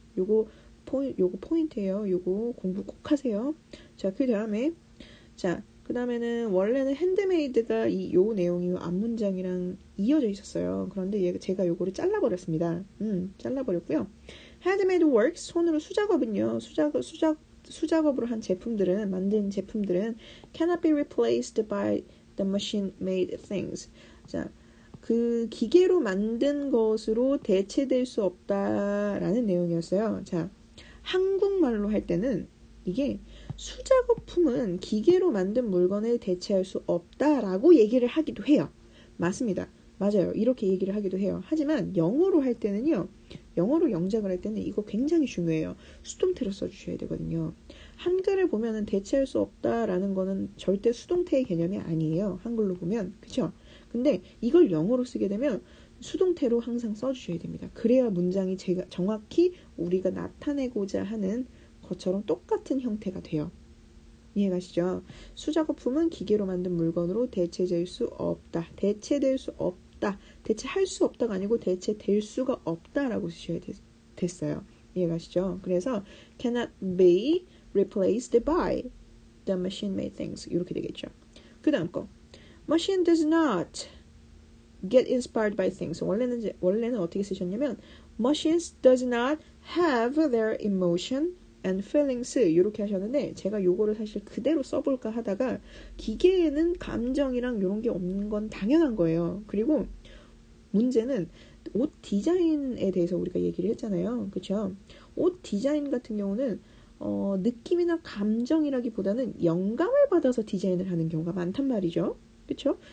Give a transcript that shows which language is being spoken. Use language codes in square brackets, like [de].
[ko] 요거 포인트예요. 요거 공부 꼭 하세요. 자, 그 다음에. 자, 그 다음에는 원래는 핸드메이드가 요 내용이 앞 문장이랑 이어져 있었어요. 그런데 제가 요거를 잘라버렸습니다. 잘라버렸고요. [en] Handmade works, [ko] 손으로 수작업은요. 수작업으로 한 제품들은, 만든 제품들은 [en] cannot be replaced by the machine made things. [ko] 자, 그 기계로 만든 것으로 대체될 수 없다라는 내용이었어요. 자, 한국말로 할 때는 이게 수작업품은 기계로 만든 물건을 대체할 수 없다라고 얘기를 하기도 해요. 맞습니다. 맞아요. 이렇게 얘기를 하기도 해요. 하지만 영어로 할 때는요. 영어로 영작을 할 때는 이거 굉장히 중요해요. 수동태로 써주셔야 되거든요. 한글을 보면은 대체할 수 없다라는 거는 절대 수동태의 개념이 아니에요. 한글로 보면. 그쵸? 근데 이걸 영어로 쓰게 되면 수동태로 항상 써주셔야 됩니다. 그래야 문장이 제가 정확히 우리가 나타내고자 하는 것처럼 똑같은 형태가 돼요. 이해가시죠? 수작업품은 기계로 만든 물건으로 대체될 수 없다. 대체될 수 없다. 대체할 수 없다가 아니고 대체될 수가 없다라고 쓰셔야 됐어요. 이해가시죠? 그래서 [en] cannot be replaced by the machine made things. [ko] 이렇게 되겠죠. 그 다음 거. [en] Machine does not get inspired by things. [ko] 원래는 어떻게 쓰셨냐면 [en] Machines does not have their emotion and feelings. [ko] 이렇게 하셨는데 제가 요거를 사실 그대로 써볼까 하다가 기계에는 감정이랑 요런 게 없는 건 당연한 거예요. 그리고 문제는 옷 디자인에 대해서 우리가 얘기를 했잖아요. 그쵸? 옷 디자인 같은 경우는 느낌이나 감정이라기보다는 영감을 받아서 디자인을 하는 경우가 많단 말이죠. 그쵸?